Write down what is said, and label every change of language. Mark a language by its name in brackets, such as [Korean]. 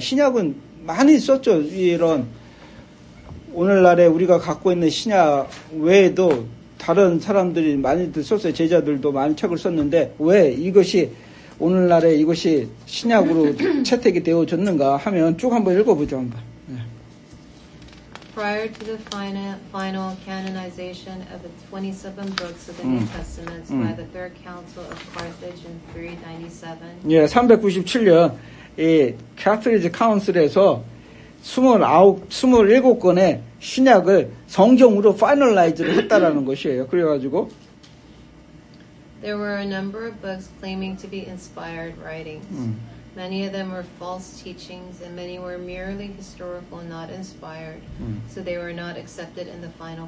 [Korean] 신약은 많이 썼죠. 이런 오늘날에 우리가 갖고 있는 신약 외에도 다른 사람들이 많이들 썼어요. 제자들도 많은 책을 썼는데 왜 이것이 오늘날에 이것이 신약으로 채택이 되어졌는가 하면 쭉 한번 읽어보죠. 네. [English] Prior to the final canonization of the 27 books of the New Testament by the Third Council of Carthage in 397. [Korean] 예, 397년 이 Catholic Council에서 27권의 신약을 성경으로 파이널라이즈를 했다라는 것이에요. 그래가지고 [English] There were a number of books claiming to be inspired writings. Many of them were false teachings and many were merely historical and not inspired. So they were not accepted in the final.